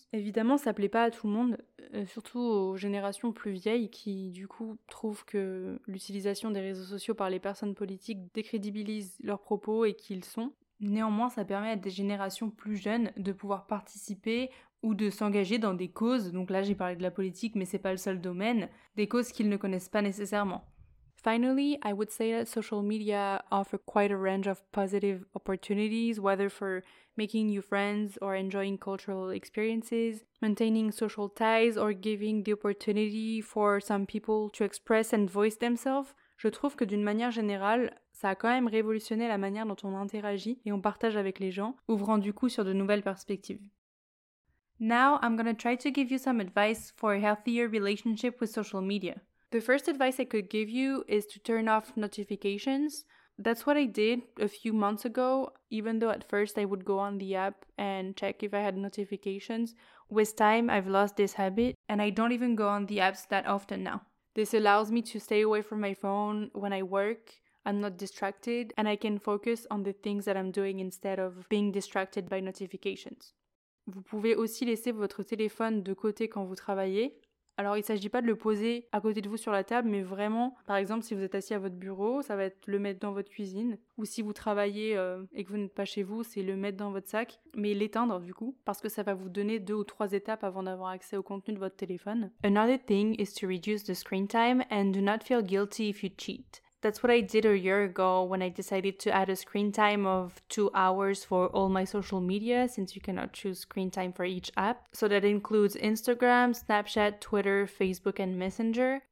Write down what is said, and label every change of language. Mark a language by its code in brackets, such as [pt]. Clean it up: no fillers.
[fr] Évidemment, ça plaît pas à tout le monde, surtout aux générations plus vieilles qui, du coup, trouvent que l'utilisation des réseaux sociaux par les personnes politiques décrédibilise leurs propos et qui ils sont. Néanmoins, ça permet à des générations plus jeunes de pouvoir participer ou de s'engager dans des causes, donc là j'ai parlé de la politique mais c'est pas le seul domaine, des causes qu'ils ne connaissent pas nécessairement. [en] Finally, I would say that social media offer quite a range of positive opportunities, whether for making new friends or enjoying cultural experiences, maintaining social ties or giving the opportunity for some people to express and voice themselves. [fr] Je trouve que d'une manière générale, ça a quand même révolutionné la manière dont on interagit et on partage avec les gens, ouvrant du coup sur de nouvelles perspectives. [en] Now, I'm gonna try to give you some advice for a healthier relationship with social media. The first advice I could give you is to turn off notifications. That's what I did a few months ago, even though at first I would go on the app and check if I had notifications. With time, I've lost this habit, and I don't even go on the apps that often now. This allows me to stay away from my phone when I work. I'm not distracted, and I can focus on the things that I'm doing instead of being distracted by notifications. [fr] Vous pouvez aussi laisser votre téléphone de côté quand vous travaillez. Alors, il ne s'agit pas de le poser à côté de vous sur la table, mais vraiment, par exemple, si vous êtes assis à votre bureau, ça va être le mettre dans votre cuisine. Ou si vous travaillez et que vous n'êtes pas chez vous, c'est le mettre dans votre sac, mais l'éteindre du coup, parce que ça va vous donner deux ou trois étapes avant d'avoir accès au contenu de votre téléphone. [en] Another thing is to reduce the screen time and do not feel guilty if you cheat. That's what I did a year ago when I decided to add a screen time of 2 hours for all my social media, since you cannot choose screen time for each app. So that includes Instagram, Snapchat, Twitter, Facebook, and Messenger.